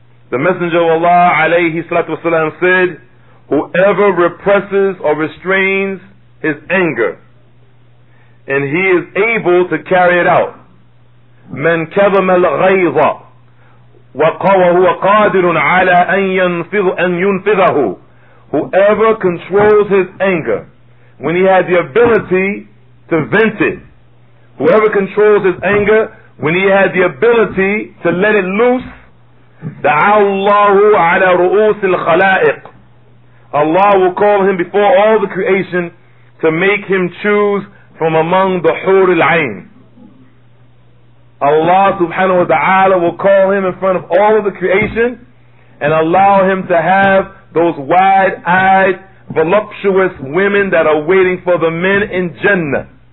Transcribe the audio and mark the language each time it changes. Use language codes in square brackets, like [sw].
[en] The Messenger of Allah [ar] عليه الصلاة والسلام [en] said, whoever represses or restrains his anger and he is able to carry it out, [ar] من كظم الغيظ وقوه وقادر على أن ينفذه. [en] Whoever controls his anger, when he has the ability to vent it. Whoever controls his anger, when he has the ability to let it loose. [ar] دعا الله على رؤوس الخلائق. [en] Allah will call him before all the creation to make him choose from among the حور العين. Allah subhanahu wa ta'ala will call him in front of all of the creation and allow him to have those wide-eyed, voluptuous women that are waiting for the men in Jannah.